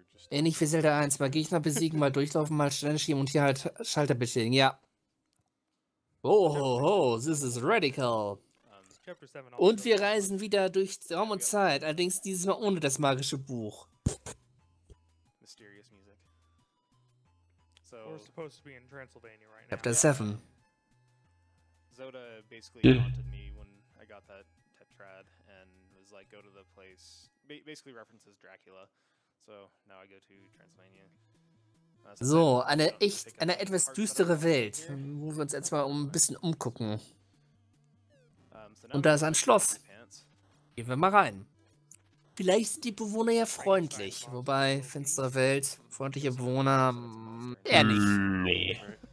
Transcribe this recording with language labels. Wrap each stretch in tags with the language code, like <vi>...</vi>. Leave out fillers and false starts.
<de>Ähnlich wie Zelda 1, mal Gegner besiegen, mal durchlaufen, mal Stellen schieben und hier halt Schalter betätigen. Ja.</de> <en>Oh ho ho, this is radical.</en> <de>Und wir reisen wieder durch Raum und Zeit, allerdings dieses Mal ohne das magische Buch.</de> <en>We're supposed to be in Transylvania right now. Chapter 7. Zoda basically haunted me when I got that tetrad and was like, go to the place. Basically references Dracula. So now I go to Transylvania.</en> <de>So, eine etwas düstere Welt, wo wir uns jetzt mal ein bisschen umgucken. Und da ist ein Schloss. Gehen wir mal rein. Vielleicht sind die Bewohner ja freundlich, wobei finstere Welt, freundliche Bewohner, eher nicht.</de>